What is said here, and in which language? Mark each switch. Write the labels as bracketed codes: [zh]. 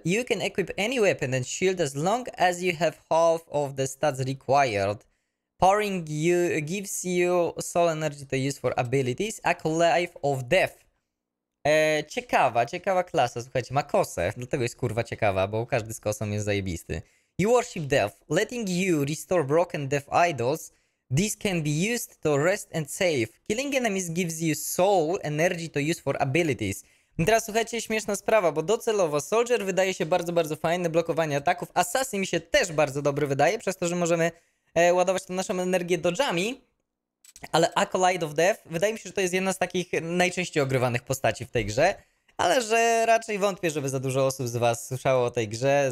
[en] You can equip any weapon and shield as long as you have half of the stats required. Powering you gives you soul energy to use for abilities. Acolyte of Death. [pl] Ciekawa klasa, słuchajcie, ma kosę. Dlatego jest kurwa ciekawa, bo każdy z kosą jest zajebisty. [en] You worship Death. Letting you restore broken Death idols. This can be used to rest and save. Killing enemies gives you soul energy to use for abilities. [pl] I teraz słuchajcie, śmieszna sprawa, bo docelowo Soldier wydaje się bardzo, bardzo fajny, blokowanie ataków. Assassin mi się też bardzo dobry wydaje, przez to, że możemy ładować tą naszą energię dodżami, ale Acolyte of Death wydaje mi się, że to jest jedna z takich najczęściej ogrywanych postaci w tej grze, ale że raczej wątpię, żeby za dużo osób z was słyszało o tej grze.